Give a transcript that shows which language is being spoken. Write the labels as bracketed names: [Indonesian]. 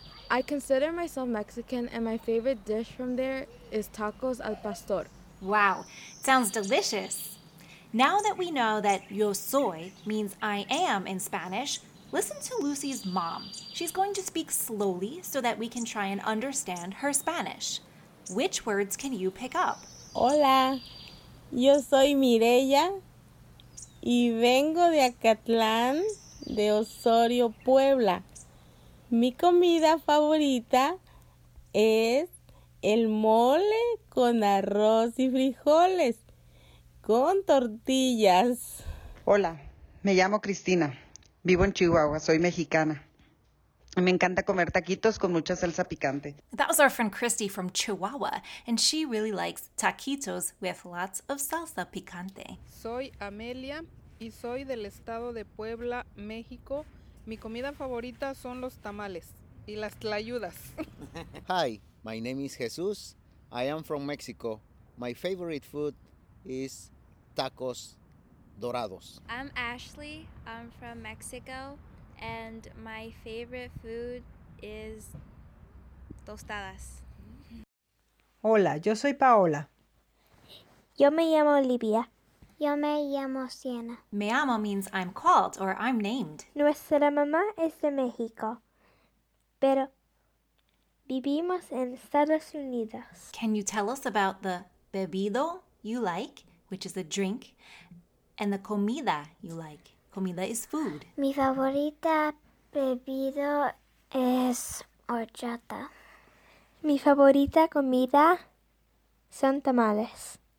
[English] I consider myself Mexican, and my favorite dish from there is tacos al pastor. Wow, sounds delicious. Now that we know that yo soy means I am in Spanish, listen to Lucy's mom. She's going to speak slowly so that we can try and understand her Spanish. Which words can you pick up? [Spanish] Hola, yo soy Mireya y vengo de Acatlán, de Osorio, Puebla. Mi comida favorita es el mole con arroz y frijoles, con tortillas. Hola, me llamo Cristina, vivo en Chihuahua, soy mexicana. Me encanta comer taquitos con mucha salsa picante. [English] That was our friend Christy from Chihuahua, and she really likes taquitos with lots of salsa picante. [Spanish] Soy Amelia y soy del estado de Puebla, México. Mi comida favorita son los tamales y las tlayudas. [English] Hi, my name is Jesus. I am from Mexico. My favorite food is tacos dorados. I'm Ashley. I'm from Mexico. And my favorite food is tostadas. [Spanish] Hola, yo soy Paola. Yo me llamo Olivia. Yo me llamo Sienna. [English] Me llamo means I'm called or I'm named. [Spanish] Nuestra mamá es de México, pero vivimos en Estados Unidos. [English] Can you tell us about the bebido you like, which is a drink, and the comida you like? Comida is food. [Spanish] Mi favorita bebido es horchata. Mi favorita comida son tamales.